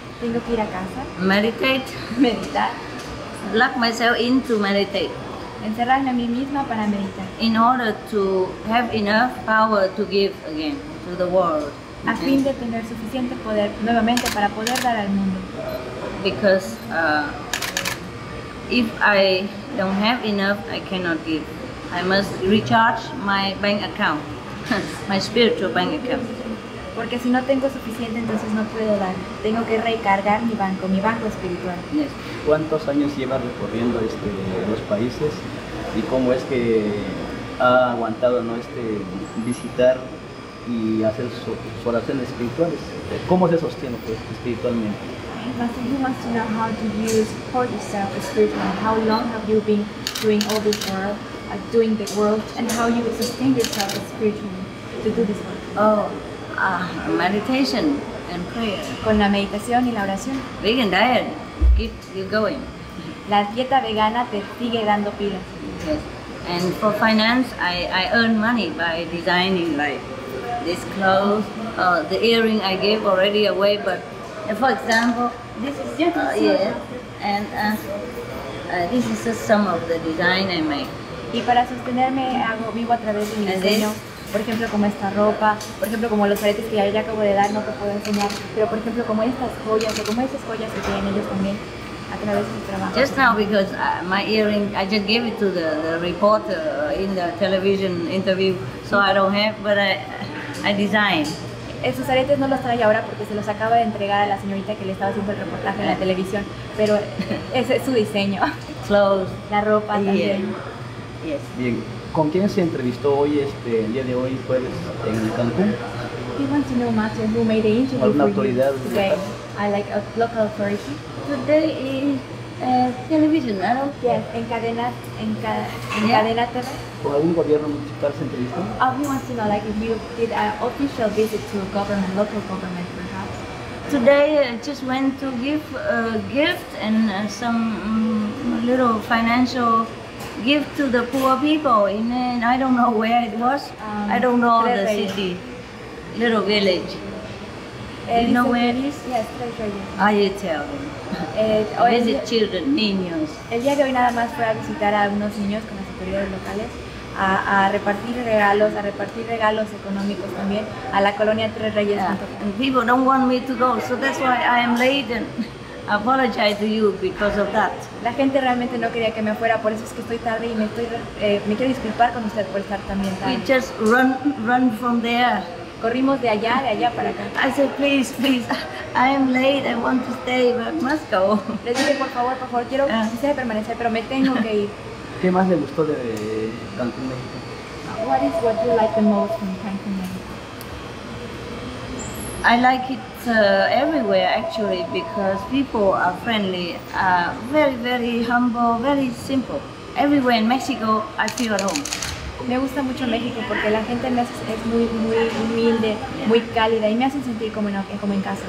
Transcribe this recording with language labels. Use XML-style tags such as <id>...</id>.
<es>Tengo que ir a casa.</es> <en>Meditar. Lock myself in to meditate.</en> <es>Encerrarme a mí misma para meditar.</es> <en>In order to have enough power to give again to the world.</en> <es>A fin de tener suficiente poder nuevamente para poder dar al mundo.</es> <en>Because if I don't have enough, I cannot give. I must recharge my bank account, my spiritual bank account.</en> <es>Porque si no tengo suficiente, entonces no puedo dar. Tengo que recargar mi banco espiritual.</es> <en>Yes.</en> <es>¿Cuántos años lleva recorriendo este los países y cómo es que ha aguantado no este visitar y hacer sus oraciones espirituales? ¿Cómo se sostiene pues espiritualmente?</es> <en>He wants to know how do you support yourself spiritually. How long have you been doing all this work, doing the work, and how you sustain yourself spiritually to do this work? Oh, meditation and prayer.</en> <es>Con la meditación y la oración.</es> <en>Vegan diet keeps you going.</en> <es>La dieta vegana te sigue dando pilas.</es> <en>Yes. And for finance, I earn money by designing like this clothes, the earring I gave already away, but. For example, this is just this is just some of the design I make.</en> <es>Y para sostenerme hago vivo a través de mi diseño. Por ejemplo, como esta ropa, por ejemplo, como los aretes que ya acabo de dar, no te puedo enseñar. Pero por ejemplo, como estas joyas o como esas joyas que tienen ellos también a través de mi trabajo.</es> <en>Just now, because my earring, I just gave it to the reporter in the television interview, so I don't have, but I designed.</en> <es>Esos aretes no los trae ahora porque se los acaba de entregar a la señorita que le estaba haciendo el reportaje en la televisión, pero ese es su diseño.</es> <en>Clothes.</en> <es>La ropa también.</es> <en>Yes.</en> <es>Bien, ¿con quién se entrevistó hoy, el día de hoy, jueves, en Cancún?</es> <en>He wants to know much and who made the interview.</en> <es>¿Alguna autoridad?</es> <en>Okay. I like a local authority. Today is television, ¿no?</en> <es>Yes, en cadena TV. ¿Con algún gobierno municipal se entrevistó?</es> <en>He wants to know, like, if you did an official visit to a government, local government, perhaps. Today, I just went to give a gift and some little financial gift to the poor people. And then I don't know where it was. I don't know the city, little village. Do you know where it is? Yes, I tell you. Visit children, niños.</en> <es>El día de hoy nada más fue a visitar a unos niños con las autoridades locales, a repartir regalos, a repartir regalos económicos también a la colonia Tres Reyes.</es> <en>People don't want me to go, so that's why I am late and apologize to you because of that.</en> <es>La gente realmente no quería que me fuera, por eso es que estoy tarde y me quiero disculpar con usted por estar también tarde.</es> <en>We just run from there.</en> <es>Corrimos de allá para acá.</es> <en>I said, please, I am late, I want to stay, but I must go.</en> <es>Le dije, por favor, quiero permanecer, pero me tengo que ir. ¿Qué más le gustó de Cancún, México?</es> <en>What is what you like the most from Cancún, México? I like it everywhere, actually, because people are friendly, very, very humble, very simple. Everywhere in Mexico, I feel at home.</en> <es>Me gusta mucho México porque la gente es muy, muy humilde, muy cálida y me hacen sentir como en casa.</es>